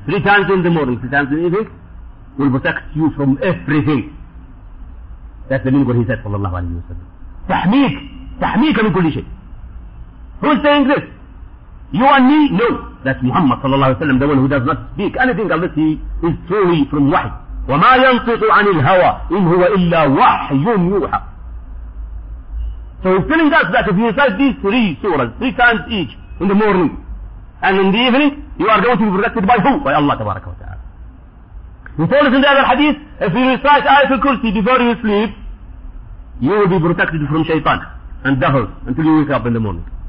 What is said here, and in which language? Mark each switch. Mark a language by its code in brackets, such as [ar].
[en] 3 times in the morning, 3 times in the evening, will protect you from everything. That's the meaning of what he said, صلى الله عليه وسلم. [ar] تحميك. تحميك من كل شيء. [en] Who is saying this? You and me? No. That's Muhammad صلى الله عليه وسلم, the one who does not speak anything unless he is truly from wahy. [ar] وما ينطق عن الهوى إن هو إلا وحي يوحى. [en] So he's telling us that if you recite these 3 surahs, 3 times each in the morning and in the evening, you are going to be protected by who? By Allah تبارك وتعالى. He told us in the other hadith, if you recite Ayatul Kursi before you sleep, you will be protected from shaitan and devil until you wake up in the morning.